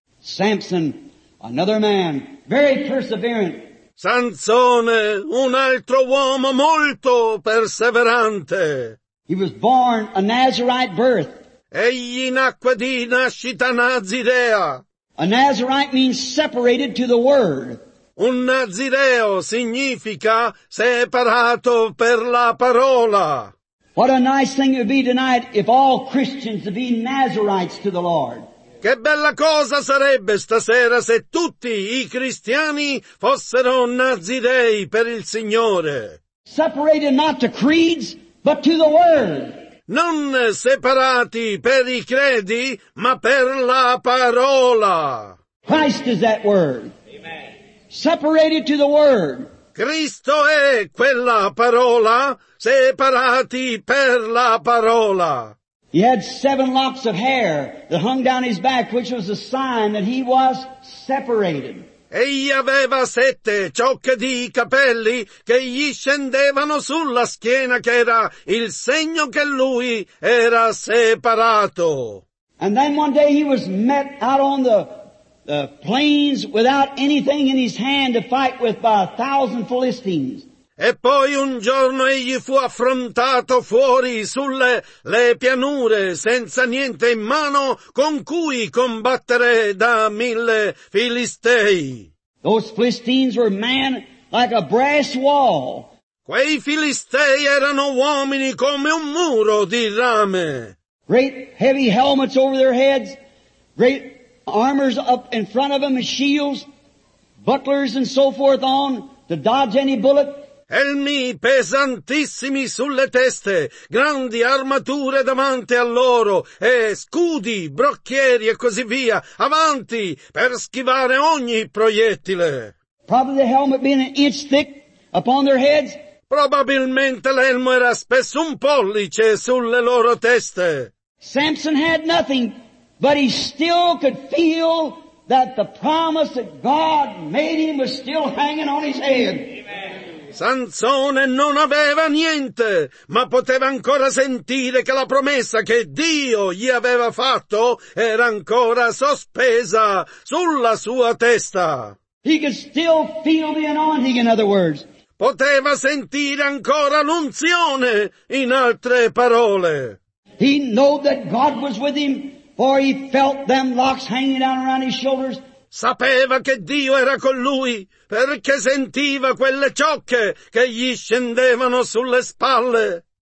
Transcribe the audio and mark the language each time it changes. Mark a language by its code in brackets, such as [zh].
[en] Samson, another man, very perseverant. [it] Sansone, un altro uomo molto perseverante. [en] He was born a Nazarite birth. [it] Egli nacque di nascita nazirea. [en] A Nazarite means separated to the word. [it] Un nazireo significa separato per la parola. [en] What a nice thing it would be tonight if all Christians would be Nazarites to the Lord. [it] Che bella cosa sarebbe stasera se tutti i cristiani fossero nazirei per il Signore. [en] Separated not to creeds, but to the word. [it] Non separati per i credi, ma per la parola. [en] Christ is that word. Amen. Separated to the word. [it] Cristo è quella parola, separati per la parola. [en] He had 7 locks of hair that hung down his back, which was a sign that he was separated. [it] Egli aveva 7 ciocche di capelli che gli scendevano sulla schiena, che era il segno che lui era separato. [en] And then one day he was met out on the plains without anything in his hand to fight with by 1,000 Philistines. [it] E poi un giorno egli fu affrontato fuori sulle le pianure senza niente in mano con cui combattere da 1,000 filistei. [en] Those Philistines were men like a brass wall. [it] Quei filistei erano uomini come un muro di rame. [en] Great heavy helmets over their heads, great armors up in front of them, shields, bucklers and so forth on to dodge any bullet. [it] elmi pesantissimi sulle teste, grandi armature davanti a loro, e scudi, brocchieri e così via, avanti, per schivare ogni proiettile. [en] Probably the helmet being an inch thick upon their heads. [it] Probabilmente l'elmo era spesso un pollice sulle loro teste. [en] Samson had nothing, but he still could feel that the promise that God made him was still hanging on his head. [it] Sansone non aveva niente, ma poteva ancora sentire che la promessa che Dio gli aveva fatto era ancora sospesa sulla sua testa. [en] He could still feel the anointing, in other words. [it] Poteva sentire ancora l'unzione, in altre parole. [en] He knew that God was with him, for he felt them locks hanging down around his shoulders. [it] Sapeva che Dio era con lui, perché sentiva quelle ciocche che gli scendevano sulle spalle.